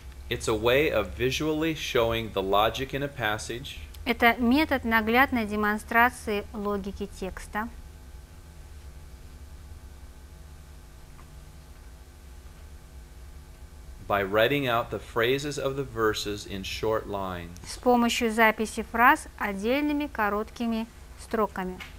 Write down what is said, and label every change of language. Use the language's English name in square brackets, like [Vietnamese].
[English] It's a way of visually showing the logic in a passage. [Russian] Это метод наглядной демонстрации логики текста. [English] By writing out the phrases of the verses in short lines. [Russian] С помощью записи фраз отдельными короткими строками.